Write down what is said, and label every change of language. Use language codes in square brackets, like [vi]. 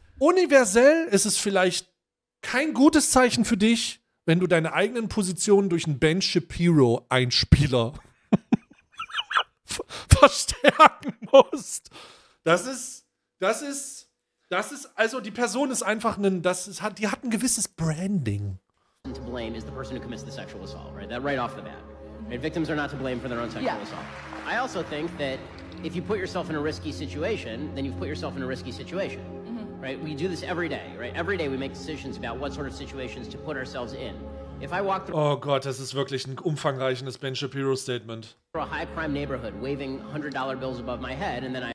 [de] Universell ist es vielleicht kein gutes Zeichen für dich, wenn du deine eigenen Positionen durch einen Ben Shapiro Einspieler verstärken musst. Das ist, also die Person ist einfach ein, die hat ein gewisses Branding. [en] To blame is the person who commits the sexual assault, right? That right off the bat. And victims are not to blame for their own sexual assault. I also think that if you put yourself in a risky situation, then you've put yourself in a risky situation, right? We do this every day, right? Every day we make decisions about what sort of situations to put ourselves in. If I walk through... [de] Oh Gott, das ist wirklich ein umfangreichendes Ben Shapiro Statement. [en] ...a high crime neighborhood, waving $100 bills above my head, and then I...